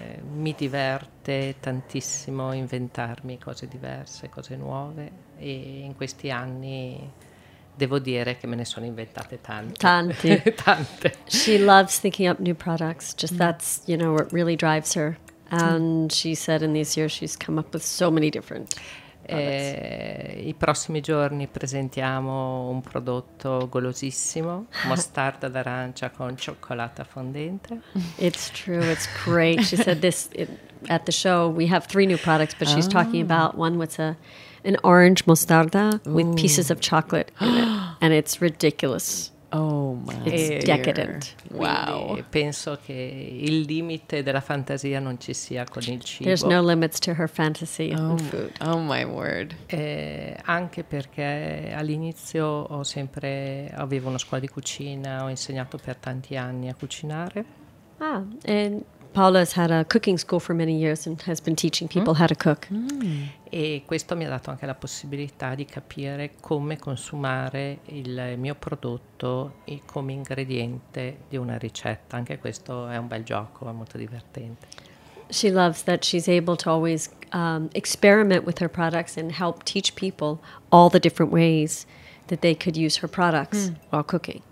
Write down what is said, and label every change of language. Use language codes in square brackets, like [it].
[it] Mi diverte tantissimo inventarmi cose diverse, cose nuove, e in questi anni devo dire che me ne sono inventate tante. Tante. [en] She loves thinking up new products, just that's, you know, what really drives her. And she said in these years she's come up with so many different products. [it] I prossimi giorni presentiamo un prodotto golosissimo, mostarda d'arancia con cioccolata fondente. [en] It's true, it's great. She said this at the show. We have three new products, but she's talking about one with an orange mostarda with pieces of chocolate in it. And it's ridiculous. Oh my, it's decadent. Wow. [it] Penso che il limite della fantasia non ci sia con il cibo. [en] There's no limits to her fantasy and food. Oh my word. [it] Anche perché all'inizio avevo una scuola di cucina, ho insegnato per tanti anni a cucinare. [en] Ah, and Paola has had a cooking school for many years and has been teaching people how to cook. Mm. [it] E questo mi ha dato anche la possibilità di capire come consumare il mio prodotto e come ingrediente di una ricetta. Anche questo è un bel gioco, è molto divertente. [en] She loves that she's able to always experiment with her products and help teach people all the different ways that they could use her products while cooking.